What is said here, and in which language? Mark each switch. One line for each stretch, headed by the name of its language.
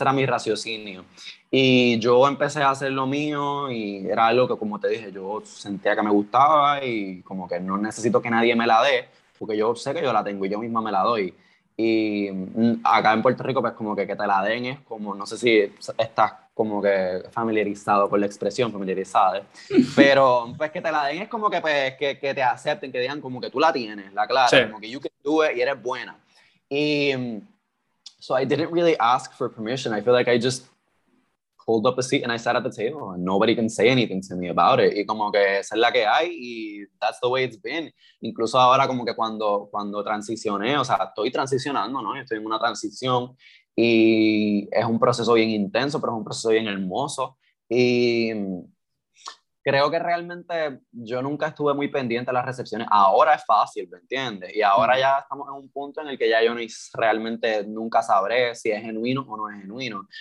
Spanish: Ese era mi raciocinio. Y yo empecé a hacer lo mío y era algo que, como te dije, yo sentía que me gustaba y como que no necesito que nadie me la dé, porque yo sé que yo la tengo y yo misma me la doy. Y acá en Puerto Rico, pues como que te la den es como, no sé si estás como que familiarizado con la expresión, familiarizada, ¿eh? Pero pues que te la den es como que, pues, que te acepten, que digan como que tú la tienes, la clara, sí. Como que
English: you can do it
Spanish: y eres buena.
English: Y so I didn't really ask for permission. I feel like I just pulled up a seat and I sat at the table and nobody can say anything to me about it.
Spanish: Y como que esa es la que hay y
English: that's the way it's been.
Spanish: Incluso ahora como que cuando transicioné, o sea, estoy transicionando, ¿no? Estoy en una transición y es un proceso bien intenso, pero es un proceso bien hermoso. Y creo que realmente yo nunca estuve muy pendiente a las recepciones. Ahora es fácil, ¿me entiendes? Y ahora ya estamos en un punto en el que ya yo realmente nunca sabré si es genuino o no es genuino.